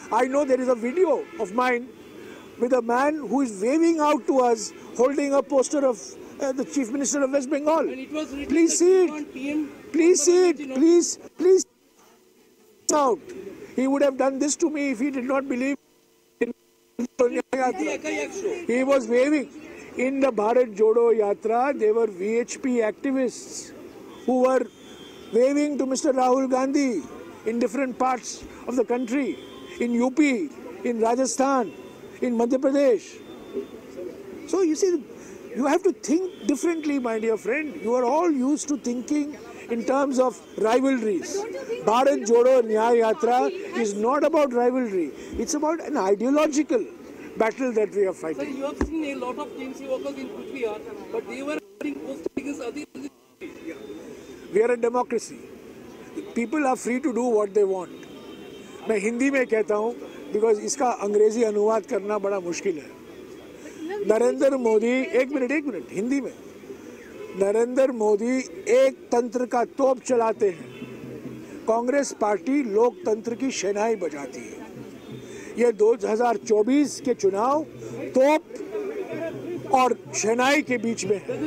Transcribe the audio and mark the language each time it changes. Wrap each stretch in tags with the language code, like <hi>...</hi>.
<en>I know there is a video of mine with a man who is waving out to us, holding a poster of the Chief Minister of West Bengal. And it was written, please see it. Please see it. Please out. He would have done this to me if he did not believe in Jodo Nyaya Yatra. He was waving. In the Bharat Jodo Yatra there were VHP activist who were waving to mister Rahul Gandhi in different parts of the country in UP in Rajasthan in Madhya Pradesh so you see you have to think differently my dear friend you are all used to thinking in terms of rivalries Bharat Jodo Nyaya Yatra is not about rivalry it's about an ideological battle that we are fighting. Sir, you have seen a lot of TMC workers in Kuchbihar, but they were wearing posters against Adil Rashid. Yeah. We are a democracy. People are free to do what they want.</en> <hi>मैं हिंदी में कहता हूँ,</hi> <en>because</en> <hi>इसका अंग्रेजी अनुवाद करना बड़ा मुश्किल है. नरेंद्र मोदी एक मिनट हिंदी में नरेंद्र मोदी एक तंत्र का तोप चलाते हैं. कांग्रेस पार्टी लोकतंत्र की शहनाई बजाती है. ये 2024 के चुनाव तोप और शहनाई के बीच में है.</hi>